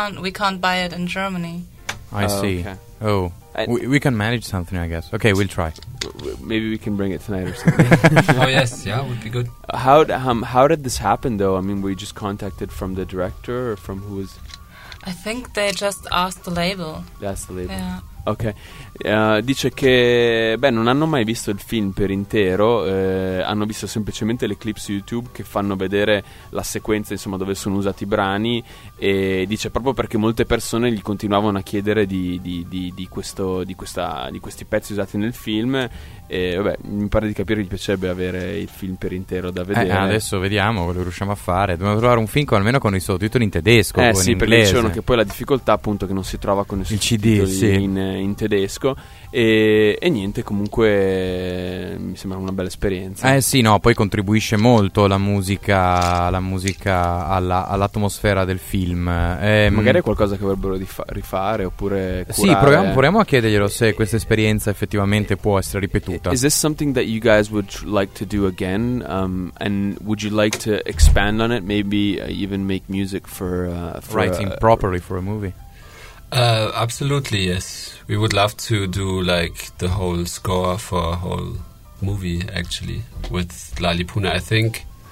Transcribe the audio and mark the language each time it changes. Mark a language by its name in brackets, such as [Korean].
[English] We can't buy it in Germany. I see. Okay. Oh. We can manage something, I guess. Okay, we'll try. Maybe we can bring it tonight or something. Oh, yes, yeah, would be good. How did this happen, though? I mean, were you just contacted from the director, or from who was... I think they just asked the label. That's the label. Yeah. [Italian] Ok, dice che beh, non hanno mai visto il film per intero, hanno visto semplicemente le clip su YouTube che fanno vedere la sequenza, insomma, dove sono usati i brani. E dice proprio perché molte persone gli continuavano a chiedere di questi pezzi usati nel film, E vabbè, mi pare di capire che gli piacerebbe avere il film per intero da vedere. Adesso vediamo quello che riusciamo a fare. Dobbiamo trovare un film con, almeno con i sottotitoli in tedesco. Eh sì, in perché dicevano che poi la difficoltà, appunto, che non si trova con il CD, sì, in tedesco. E niente, comunque mi sembra una bella esperienza. Eh sì, no, poi contribuisce molto la musica all'atmosfera del film. Magari è qualcosa che vorrebbero rifare oppure curare. Sì, proviamo a chiederglielo se questa esperienza effettivamente può essere ripetuta. [English] Is this something that you guys would like to do again? And would you like to expand on it? Maybe even make music for writing properly for a movie? Absolutely, yes. We would love to do like the whole score for a whole movie, actually, with Lali Puna, I think.